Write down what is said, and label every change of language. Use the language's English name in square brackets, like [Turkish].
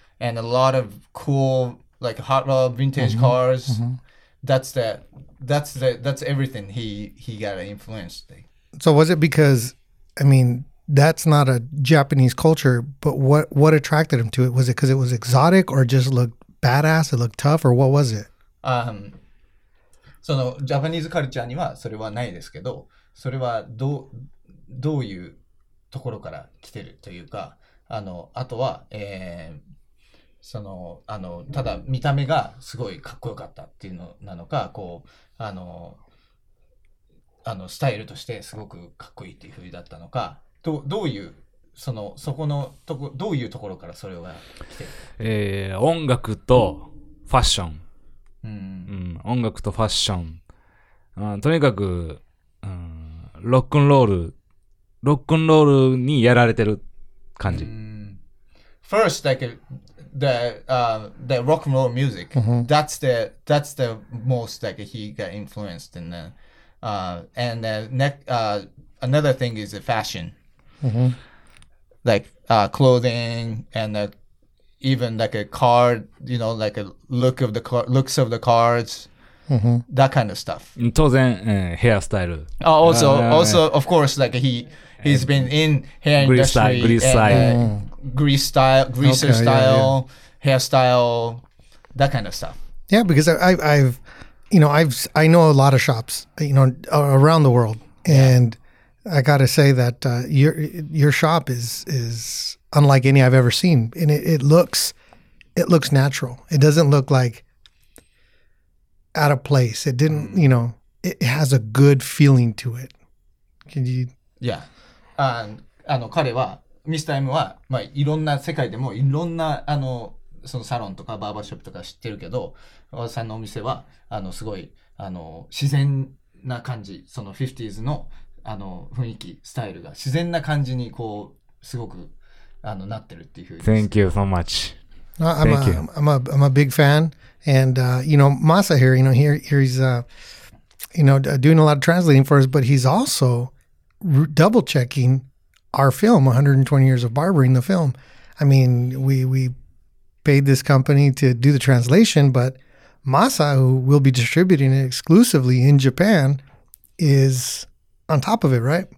[English] And a lot of cool, like hot rod, vintage cars. Mm-hmm. That's everything he got influenced. So was it because, I mean, that's not a Japanese culture, but what attracted him to it? Was it because it was exotic or just looked badass? It looked tough or what was it? [Japanese] そのジャパニーズカルチャーにはそれはないですけど、それはどういうところから来てるというか、あの、あとは、あのただ見た目がすごいかっこよかったっていうのなのか、こうあのスタイルとしてすごくかっこいいっていう風だったのか、どういうそのそこのとこどういうところからそれが来て、音楽とファッション、うん、音楽とファッション、とにかく、ロックンロール、ロックンロールにやられてる感じ。 [English] First, like the rock and roll music,、mm-hmm. that's the most that、like, he got influenced in. Another thing is the fashion,、 mm-hmm. like clothing and even like a car, you know, like a look of the looks of the cars,、 mm-hmm. that kind of stuff. [Japanese] 当然、hairstyle. [English] Also, of course, like he's been in hair industry. Grease style. And,、Grease style, greaser okay, style, yeah, yeah. hairstyle, that kind of stuff. Yeah, because I know a lot of shops, you know, around the world, and、yeah. I got to say that your shop is unlike any I've ever seen, and it looks natural. It doesn't look like out of place. It didn't,、mm. you know, it has a good feeling to it. Can you? Yeah, and he is. [Japanese] ミスター M は、まあ、いろんな世界でもいろんなそのサロンとかバーバーショップとか知ってるけど、和田さんのお店はすごい自然な感じ、その 50s の雰囲気、スタイルが自然な感じにこうすごくなってるっていうふうに。 [English] Thank you so much. Thank you. I'm a big fan. And, you know, Masa here, you know, here he's, you know, doing a lot of translating for us, but he's also double checking. Our film, 120 Years of Barbering, the film. I mean, we paid this company to do the translation, but Masa, who will be distributing it exclusively in Japan, is on top of it, right?